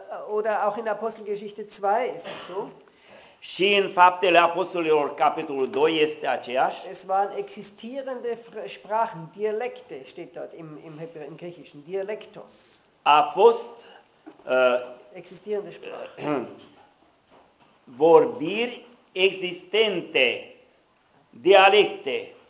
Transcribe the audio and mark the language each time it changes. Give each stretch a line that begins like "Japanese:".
German: Oder auch in Apostelgeschichte 2 ist es so.
Romanian: Și în Faptele Apostolilor, capitolul 2, este aceeași.
German: Es waren existierende Sprachen, Dialekte, steht dort im Griechischen, Dialektos.
Romanian: A fost
German: existierende Sprachen.
Romanian: Vorbiri existente, Dialekte.